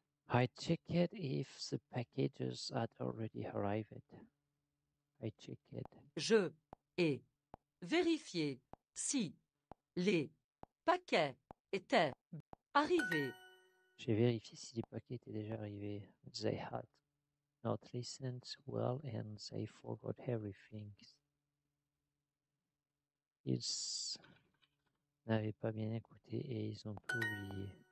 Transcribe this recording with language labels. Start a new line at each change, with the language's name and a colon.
English: I checked if the packages had already arrived. I checked.
French: Je ai vérifié si les paquets étaient arrivés. J'ai vérifié si les paquets étaient déjà arrivés.
English: They had not listened well and they forgot everything.
French: Ils n'avaient pas bien écouté et ils ont tout oublié.